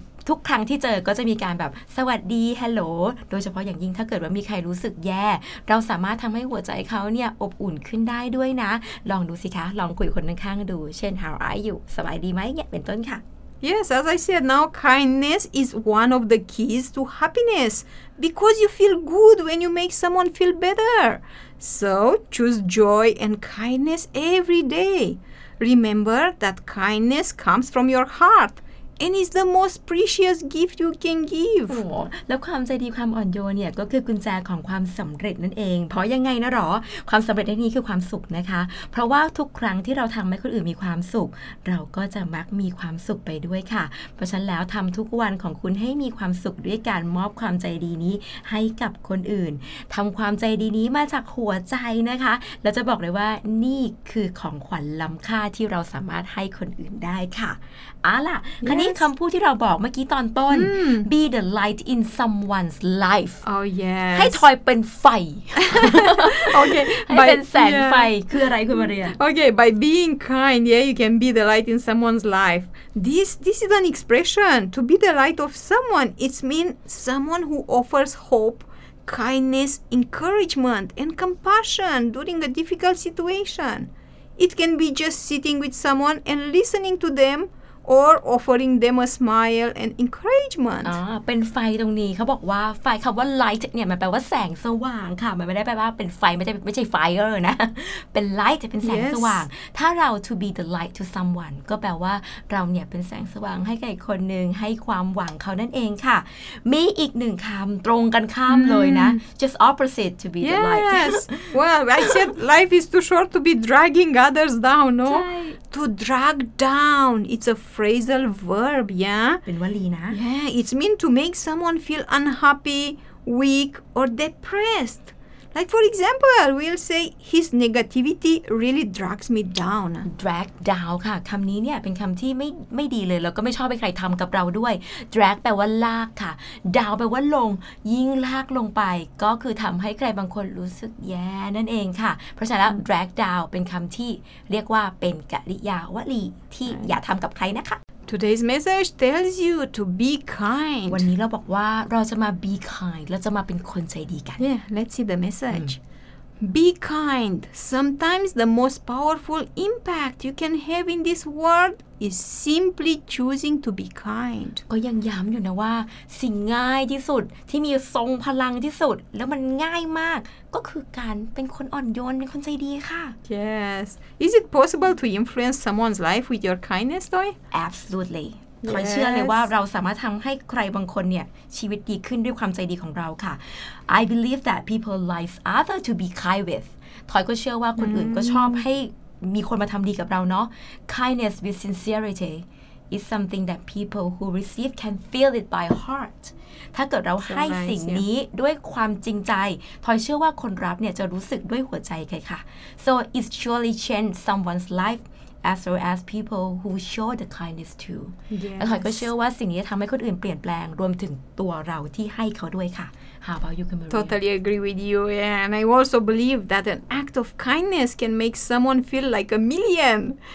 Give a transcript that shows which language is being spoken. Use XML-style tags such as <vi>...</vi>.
<th>ทุกครั้งที่เจอก็จะมีการแบบสวัสดีเฮลโหลโดยเฉพาะอย่างยิ่งถ้าเกิดว่ามีใครรู้สึกแย่เราสามารถทำให้หัวใจเขาเนี่ยอบอุ่นขึ้นได้ด้วยนะลองดูสิคะลองคุยคนข้างๆดูเช่น</th> <en>how are you</en> <th>สบายดีไหมเนี่ยเป็นต้นค่ะ</th> <en>yes as I said now kindness is one of the keys to happiness because you feel good when you make someone feel better so choose joy and kindness every day remember that kindness comes from your heartAnd it's the most precious gift you can give.</en> <th>Oh, แล้วความใจดีความอ่อนโยนเนี่ยก็คือกุญแจของความสำเร็จนั่นเองเพราะยังไงนะหรอความสำเร็จในที่นี้คือความสุขนะคะเพราะว่าทุกครั้งที่เราทำให้คนอื่นมีความสุขเราก็จะมักมีความสุขไปด้วยค่ะเพราะฉะนั้นแล้วทำทุกวันของคุณให้มีความสุขด้วยการมอบความใจดีนี้ให้กับคนอื่น ทำความใจดีนี้มาจากหัวใจนะคะแล้วจะบอกเลยว่านี่คือของขวัญล้ำค่าที่เราสามารถให้คนอื่นได้ค่ะเอาล่ะคราวนี้คำพูดที่เราบอกเมื่อกี้ตอนต้น</th> <en>be the light in someone's life oh yes</en> <th>ให้ทอยเป็นไฟ โอเค ให้เป็นแสงไฟคืออะไรคุณมาเรีย</th> <en>โอเค by being kind yeah you can be the light in someone's life this is an expression to be the light of someone it's mean someone who offers hopekindness encouragement and compassion during a difficult situation it can be just sitting with someone and listening to themOr offering them a smile and encouragement.</en> <th>เป็นไฟตรงนี้เขาบอกว่าไฟคำว่า light เนี่ยมันแปลว่าแสงสว่างค่ะมันไม่ได้แปลว่าเป็นไฟไม่ใช่ fire นะเป็น light เป็นแสง</th> <en>yes.</en> <th>สว่างถ้าเรา</th> <en>to be the light to someone</en> <th>ก็แปลว่าเราเนี่ยเป็นแสงสว่างให้แก่คนหนึ่งให้ความหวังเขานั่นเองค่ะมีอีกหนึ่งคำตรงกันข้ามเลยนะ</th> <en>just opposite to be yes. the light. Well, I said life is too short to be dragging others down. No, to drag down it's a phrasal verb, yeah?</en> <th>เป็นวลีนะ</th> <en>Yeah, it's mean to make someone feel unhappy, weak, or depressed. Like, for example, we'll say, his negativity really drags me down.</en> <th>Drag down, ค่ะคำนี้เนี่ยเป็นคำที่ไม่ดีเลยแล้วก็ไม่ชอบให้ใครทำกับเราด้วย Drag แปลว่าลากค่ะ Down แปลว่าลงยิ่งลากลงไปก็คือทำให้ใครบางคนรู้สึกแย่นั่นเองค่ะเพราะฉะนั้น Drag down เป็นคำที่เรียกว่าเป็นกริยาวลีที่อย่าทำกับใครนะคะ</th> <en>Today's message tells you to be kind.</en> <th>วันนี้เราบอกว่าเราจะมา be kind. เราจะมาเป็นคนใจดีกัน</th> <en>Yeah, let's see the message. Be kind. Sometimes the most powerful impact you can have in this world is simply choosing to be kind.</en> <th>ก็ยังย้ำอยู่นะว่าสิ่งง่ายที่สุดที่มีทรงพลังที่สุดแล้วมันง่ายมากก็คือการเป็นคนอ่อนโยนเป็นคนใจดีค่ะ</th> <en>Yes. Is it possible to influence someone's life with your kindness, Toy? Absolutely.</en> <th>ขอเชื่อเลยว่าเราสามารถทำให้ใครบางคนเนี่ยชีวิตดีขึ้นด้วยความใจดีของเราค่ะ</th> <en>I believe that people like other to be kind with.</en> <th>ทอยก็เชื่อว่าคนอื่นก็ชอบให้มีคนมาทำดีกับเราเนาะ</th> <en>Kindness with sincerity is something that people who receive can feel it by heart.</en> <th>ถ้าเกิดเราให้สิ่งนี้ด้วยความจริงใจทอยเชื่อว่าคนรับเนี่ยจะรู้สึกด้วยหัวใจค่ะ</th> <en>So it surely changed someone's life. As well as people who show the kindness too. Yes. And I also believe that this thing makes other people change, including ourselves who give it to them. How about you, Camille? Totally agree with you. Yeah. And I also believe that an act of kindness can make someone feel like a million.</en>